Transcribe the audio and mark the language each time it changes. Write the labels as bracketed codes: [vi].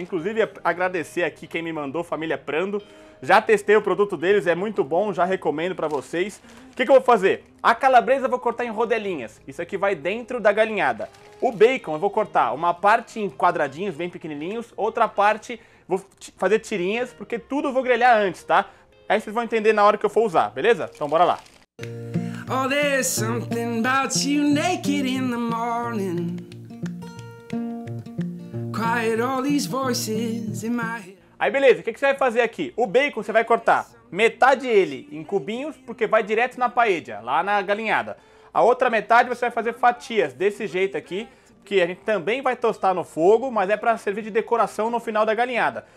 [pt] Inclusive agradecer aqui quem me mandou, família Prando. Já testei o produto deles, é muito bom, já recomendo para vocês. O que que eu vou fazer? A calabresa eu vou cortar em rodelinhas. Isso aqui vai dentro da galinhada. O bacon eu vou cortar uma parte em quadradinhos bem pequenininhos, outra parte vou fazer tirinhas, porque tudo eu vou grelhar antes, tá? Aí vocês vão entender na hora que eu for usar, beleza? Então bora lá. [en] Oh, there's something about you naked in the morning. Quiet all these voices in my head. [pt] Aí beleza, o que você vai fazer aqui? O bacon você vai cortar metade ele em cubinhos, porque vai direto na paella, lá na galinhada. A outra metade você vai fazer fatias, desse jeito aqui, que a gente também vai tostar no fogo, mas é para servir de decoração no final da galinhada.